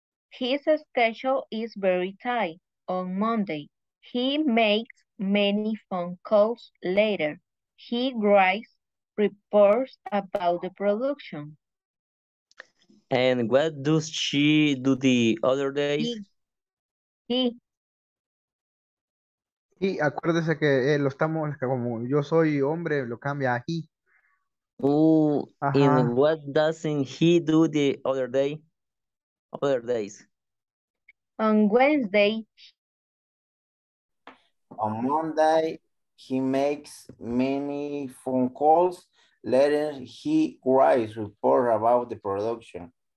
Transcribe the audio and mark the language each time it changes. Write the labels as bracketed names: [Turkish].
[English] His schedule is very tight. On Monday, he makes many phone calls later. He writes reports about the production. And what does she do the other days? He. [Spanish] Y acuérdese que lo estamos, como yo soy hombre, lo cambia a he. Ajá. [English] And what doesn't he do the other day? Other days. On Wednesday. On Monday, he makes many phone calls. Later, he writes reports about the production.